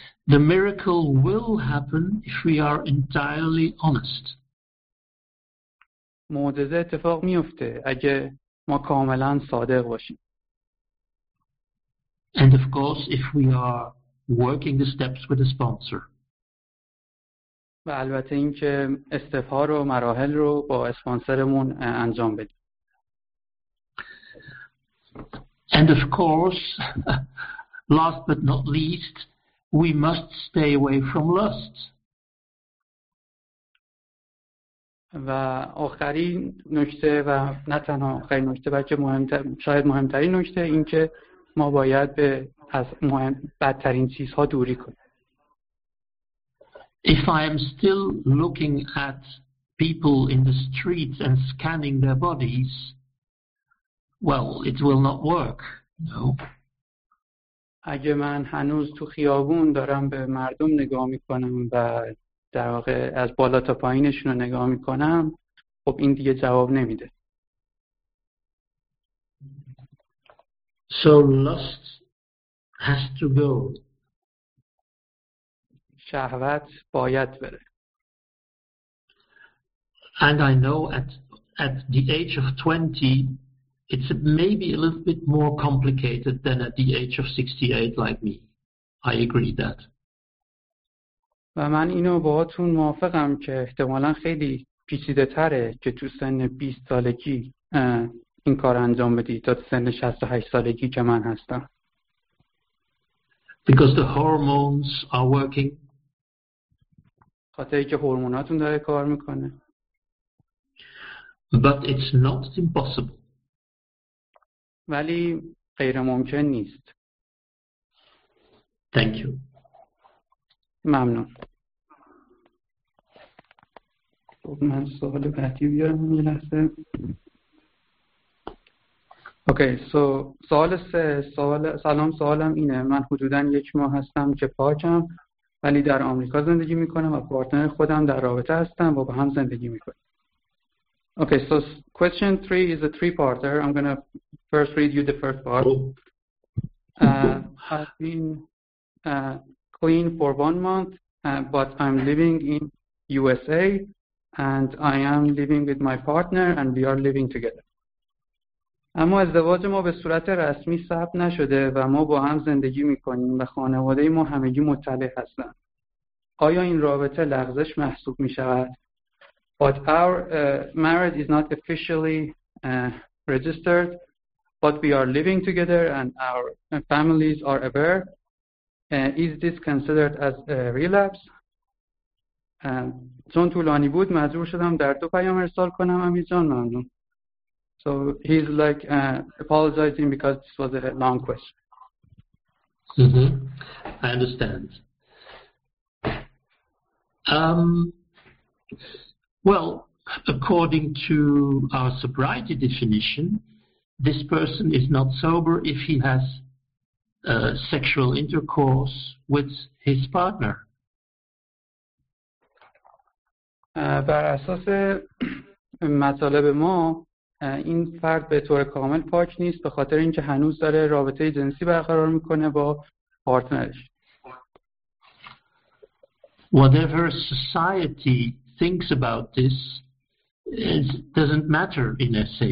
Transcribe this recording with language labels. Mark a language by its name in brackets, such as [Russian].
[English] The miracle will happen if we are entirely honest. [Persian] معجزه اتفاق میفته اگه ما کاملا صادق باشیم. [English] And of course if we are working the steps with a sponsor. [Persian] و البته اینکه استفهار و مراحل رو با اسپانسرمون انجام بدیم. [English] And of course, last but not least, we must stay away from lust. [Persian] و آخرین نکته و نه تنها آخرین نکته بلکه مهمتر شاید مهمترین نکته این که ما باید به از مهم بدترین چیزها دوری کنیم. [English] If I am still looking at people in the streets and scanning their bodies, well, it will not work. No. [Persian] اگه من هنوز تو خیابون دارم به مردم نگاه میکنم و در واقع از بالا تا پایینشون رو نگاه میکنم، خب این دیگه جواب نمیده. [English] So lust has to go. [Persian] شهوت باید بره. [English] And I know at the age of 20 it's maybe a little bit more complicated than at the age of 68 like me. I agree that. [Persian] و من اینو باهاتون موافقم که احتمالاً خیلی پیچیده‌تره که تو سن 20 سالگی این کار انجام بدی تا سن 68 سالگی که من هستم. [English] Because the hormones are working. [Persian] خاطر اینکه هورموناتون داره کار میکنه. [English] But it's not impossible. [Persian] ولی غیر ممکن نیست. [English] Thank you. [Persian] ممنون. من سوال بعدی بیارم یه لحظه. اوکی، سو سوال سه، سلام، سوالم اینه. من حدوداً یک ماه هستم که پاکم ولی در آمریکا زندگی میکنم و پارتنر خودم در رابطه هستم و با هم زندگی میکنم. [English] Okay, so question three is a three-parter. I'm going to first read you the first part. I've been clean for 1 month, but I'm living in USA, and I am living with my partner, and we are living together. [Persian] اما ازدواج ما به صورت رسمی ثبت نشده و ما با هم زندگی میکنیم و خانواده ما همگی مطلع هستند. آیا این رابطه لغزش محسوب میشود؟ [English] But our marriage is not officially registered, but we are living together and our families are aware. Is this considered as a relapse? [Persian] چون طولانی بود مجبور شدم در دو پیام ارسال کنم امیرجان ممنون. [English] So he's like apologizing because this was a long question. Mm-hmm. I understand. Well, according to our sobriety definition, this person is not sober if he has sexual intercourse with his partner. [Persian] بر اساس مطالب ما این فرد به طور کامل پاک نیست به خاطر اینکه هنوز داره رابطه جنسی برقرار میکنه با پارتنرش. [English] Whatever society thinks about this is, doesn't matter in SA.